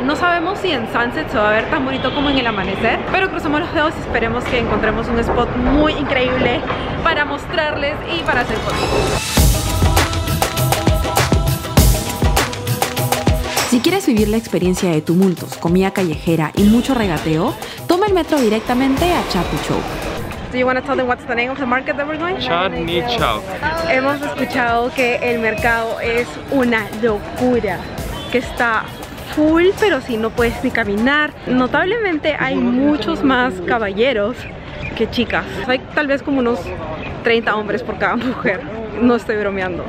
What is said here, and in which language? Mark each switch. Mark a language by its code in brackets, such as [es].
[es] No sabemos si en sunset se va a ver tan bonito como en el amanecer, pero cruzamos los dedos y esperemos que encontremos un spot muy increíble para mostrarles y para hacer fotos. Si quieres vivir la experiencia de tumultos, comida callejera y mucho regateo, toma el metro directamente a Chatni Chowk. [en] Do you want to tell them what's the name of the market that we're going to? Chatni Chowk. [es] Hemos escuchado que el mercado es una locura, que está full, pero si no puedes ni caminar. Notablemente hay muchos más caballeros que chicas. Hay tal vez como unos 30 hombres por cada mujer. No estoy bromeando.